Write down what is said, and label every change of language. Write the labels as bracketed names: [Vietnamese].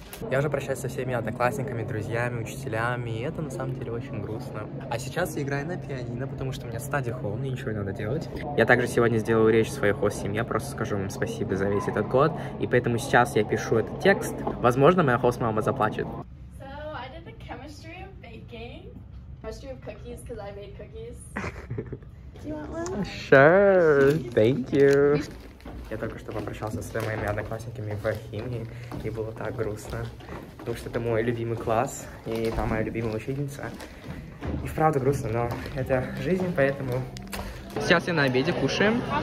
[Russian] Я уже прощаюсь со всеми одноклассниками, друзьями, учителями, и это на самом деле очень грустно. А сейчас я играю на пианино, потому что у меня стадия холл, мне ничего не надо делать. Я также сегодня сделаю речь своей хост-семье, я просто скажу вам спасибо за весь этот год, и поэтому сейчас я пишу этот текст, возможно, моя хост-мама заплачет. [English] So, I did the chemistry of baking, chemistry of cookies, because I made cookies. Do you want one? Sure, thank you. [Russian] Я только что попрощался со своими моими одноклассниками в химии, и было так грустно, потому что это мой любимый класс, и там моя любимая учительница. И вправду грустно, но это жизнь, поэтому... Сейчас я на обеде, кушаем.